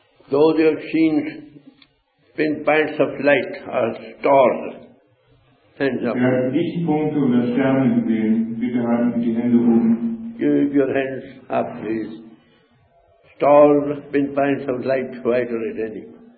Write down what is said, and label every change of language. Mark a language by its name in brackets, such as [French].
[English] Those you have seen pinpoints of light are stars. Hands up. [German] Lichtpunkte oder Sterne gesehen. Bitte halten die Hände oben. [English] Give your hands up, please. Stars, pinpoints of light, white or red.